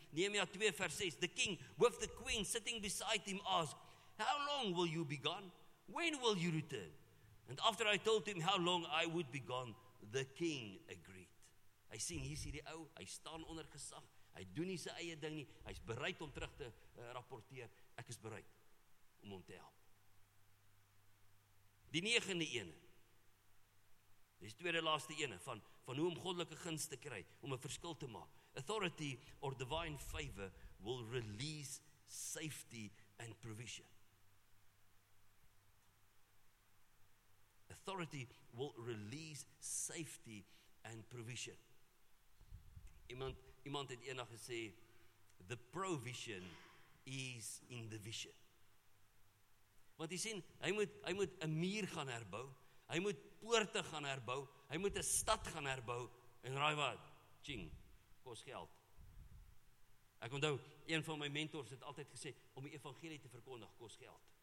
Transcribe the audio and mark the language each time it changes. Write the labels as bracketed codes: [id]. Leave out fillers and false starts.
[en] Nehemia 2 vers 6, the king with the queen sitting beside him asked, how long will you be gone? When will you return? And after I told him how long I would be gone, the king agreed. [af] Hy sien, hier is hierdie ou, hy staan onder gesag, hy doen nie sy eie ding nie, hy is bereid om terug te rapporteer, ek is bereid om hom te help. Die negende ene, dit is tweede laaste ene, van hoe om goddelike gunst te kry, om 'n verskil te maak. [en] Authority or divine favor will release safety and provision. Authority will release safety and provision. [af] Iemand het eendag gesê, [en] the provision is in the vision. [af] Want jy sien, hy moet 'n muur gaan herbou, hy moet poorte gaan herbou, hy moet 'n stad gaan herbou, en raai wat, tjing, kos geld. Ek onthou, een van my mentors het altyd gesê, om die evangelie te verkondig, kos geld.